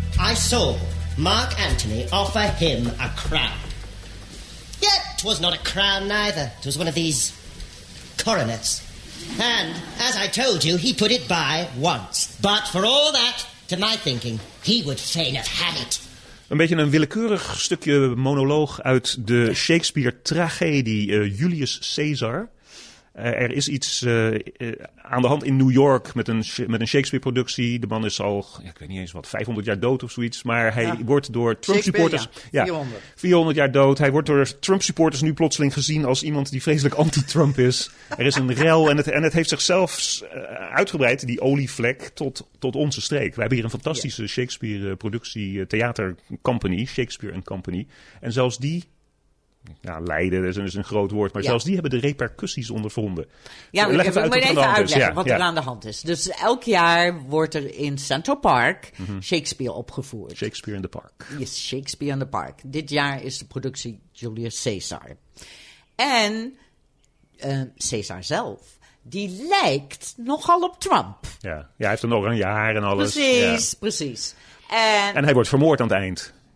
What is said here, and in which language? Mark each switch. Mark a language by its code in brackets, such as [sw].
[en] I saw Mark Antony offer him a crown. Yet, 'twas not a crown neither. 'Twas one of these coronets. And, as I told you, he put it by once. But for all that, to my thinking, he would fain have had it. [nl] Een beetje een willekeurig stukje monoloog uit de Shakespeare-tragedie Julius Caesar. Er is iets aan de hand in New York met een Shakespeare-productie. De man is al, ik weet niet eens wat, 500 jaar dood of zoiets. Maar hij wordt door Trump-supporters. Ja, 400 jaar dood. Hij wordt door Trump-supporters nu plotseling gezien als iemand die vreselijk anti-Trump is. Er is een rel en het heeft zichzelf uitgebreid, die olievlek, tot onze streek. We hebben hier een fantastische Shakespeare-productie, theater-company, Shakespeare & Company. En zelfs die. Ja, lijden is een groot woord, maar zelfs die hebben de repercussies ondervonden. Ja, maar ik moet even uitleggen wat er aan de hand is. Dus elk jaar wordt er in Central Park Shakespeare opgevoerd. [en] Shakespeare in the Park. Yes, Shakespeare in the Park. [nl] Dit jaar is de productie Julius Caesar. En Caesar zelf, die lijkt nogal op Trump. Ja, ja, hij heeft een oranje haar en alles. Precies, precies. En hij wordt vermoord aan het eind.